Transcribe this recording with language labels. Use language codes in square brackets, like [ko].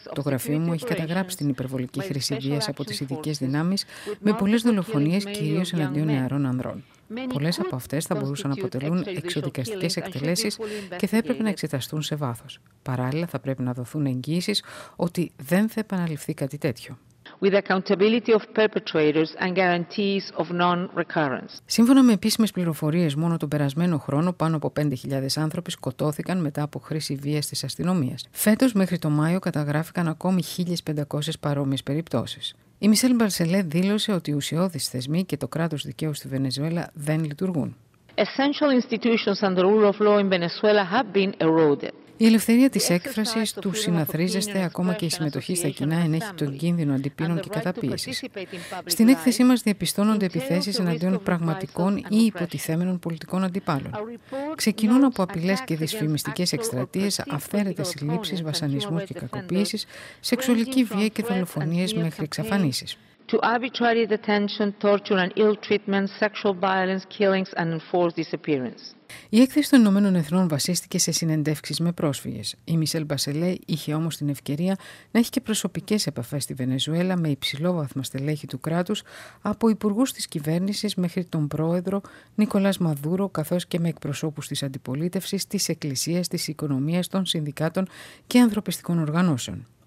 [el] Το γραφείο μου έχει καταγράψει την υπερβολική χρήση βίας από τις ειδικές δυνάμεις με πολλές δολοφονίες κυρίως εναντίον νεαρών ανδρών. Πολλές από αυτές θα μπορούσαν να αποτελούν εξωδικαστικές εκτελέσεις και θα έπρεπε να εξεταστούν σε βάθος. Παράλληλα, θα πρέπει να δοθούν εγγυήσεις ότι δεν θα επαναληφθεί κάτι τέτοιο. [en] With accountability of perpetrators and guarantees of non-recurrence. [el] Σύμφωνα με επίσημες πληροφορίες, μόνο τον περασμένο χρόνο πάνω από 5.000 άνθρωποι σκοτώθηκαν μετά από χρήση βίας της αστυνομίας. Φέτος, μέχρι το Μάιο, καταγράφηκαν ακόμη 1.500 παρόμοιες περιπτώσεις. Η Μισελ Μπασελέ δήλωσε ότι οι ουσιώδεις θεσμοί και το κράτος δικαίου στη Βενεζουέλα δεν λειτουργούν. [en] Essential institutions and the rule of law in Venezuela have been eroded. [el] Η ελευθερία της έκφρασης του συναθρίζεστε ακόμα και η συμμετοχή στα κοινά ενέχει τον κίνδυνο αντιπίνων και καταπίεσης. Στην έκθεσή μας διαπιστώνονται επιθέσεις εναντίον πραγματικών ή υποτιθέμενων πολιτικών αντιπάλων. Ξεκινούν από απειλές και δυσφημιστικές εκστρατείες, αυθαίρετες συλλήψεις, βασανισμούς και κακοποίησης, σεξουαλική βία και δολοφονίες μέχρι εξαφανίσεις. [en] To arbitrary detention, torture and ill treatment, sexual violence, killings and enforced disappearance. [el] Η έκθεση των Ηνωμένων Εθνών βασίστηκε σε συνεντεύξεις με πρόσφυγες. Η Μισελ Μπασελέ είχε όμως την ευκαιρία να έχει και προσωπικές επαφές στη Βενεζουέλα με υψηλόβαθμα στελέχη του κράτους, από υπουργούς της κυβέρνησης μέχρι τον πρόεδρο Νικολάς Μαδούρο, καθώς και με εκπροσώπους της αντιπολίτευσης, της εκκλησίας, της οικονομίας, των συνδικάτων και ανθρωπιστικών οργανώσεων.